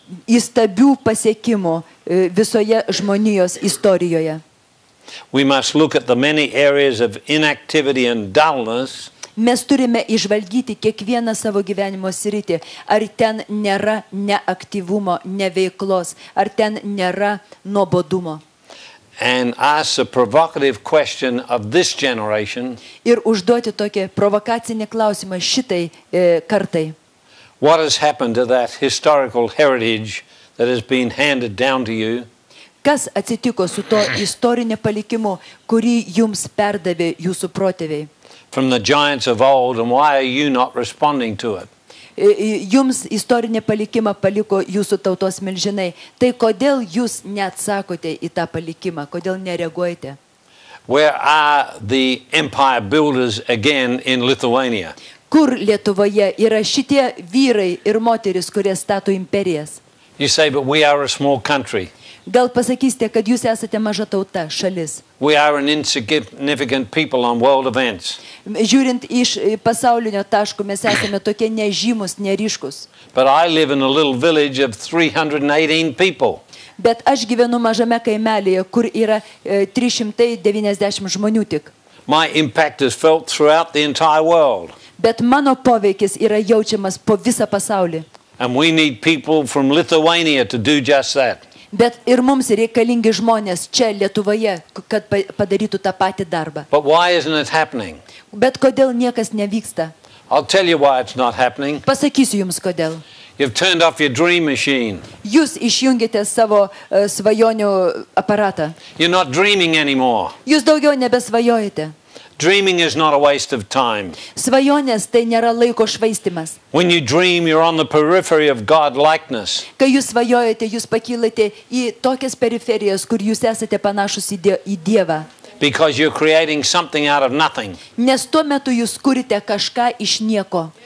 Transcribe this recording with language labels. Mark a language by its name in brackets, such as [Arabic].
[Lithuanian] Įstabių pasiekimų visoje žmonijos istorijoje. [English] We must look at the many areas of inactivity and dullness. [Lithuanian] Mes turime išvalgyti kiekvieną savo gyvenimo sritį, ar ten nėra neaktyvumo, neveiklos, ar ten nėra nuobodumo. [English] And ask a provocative question of this generation. [Lithuanian] Ir užduoti tokį provokacinį klausimą šitai kartai. [English] What has happened to that historical heritage that has been handed down to you? [Lithuanian] Kas atsitiko su to istoriniu palikimu, kurį jums perdavė jūsų protėviai? [English] From the giants of old, and why are you not responding to it? [Lithuanian] Jums istorinį palikimą paliko jūsų tautos milžinai. Tai kodėl jūs neatsakote į tą palikimą? Kodėl nereaguojate? [English] Where are the empire builders again in Lithuania? [Lithuanian] Kur Lietuvoje yra šitie vyrai ir moterys, kurie stato imperijas? [English] You say, but we are a small country. [Lithuanian] Gal pasakysite, kad jūs esate maža tauta, šalis. [English] We are an insignificant people on world events. [Lithuanian] Žiūrint iš pasaulinio taško, mes esame tokie nežymus, neryškus. [English] But I live in a little village of 318 people. [Lithuanian] Bet aš gyvenu mažame kaimelyje, kur yra 390 žmonių tik. [English] My impact is felt throughout the entire world. [Lithuanian] Bet mano poveikis yra jaučiamas po visą pasaulį. [English] And we need people from Lithuania to do just that. [Lithuanian] Bet ir mums reikalingi žmonės čia Lietuvoje, kad padarytų tą patį darbą. [English] But why isn't it happening? [Lithuanian] Bet kodėl niekas nevyksta? [English] I'll tell you why it's not happening. [Lithuanian] Pasakysiu jums kodėl. [English] You've turned off your dream machine. [Lithuanian] Jūs išjungėte savo svajonių aparatą. [English] You're not dreaming anymore. [Lithuanian] Jūs daugiau nebesvajojate. [English] Dreaming is not a waste of time. [Lithuanian] Svajonės tai nėra laiko švaistimas. [English] When you dream, you're on the periphery of God likeness. [Lithuanian] Kai jūs svajojate, jūs pakylate į tokias periferijas, kur jūs esate panašus į Dievą. [English] Because you're creating something out of nothing. [Lithuanian] Nes tuo metu jūs kuriate kažką iš nieko.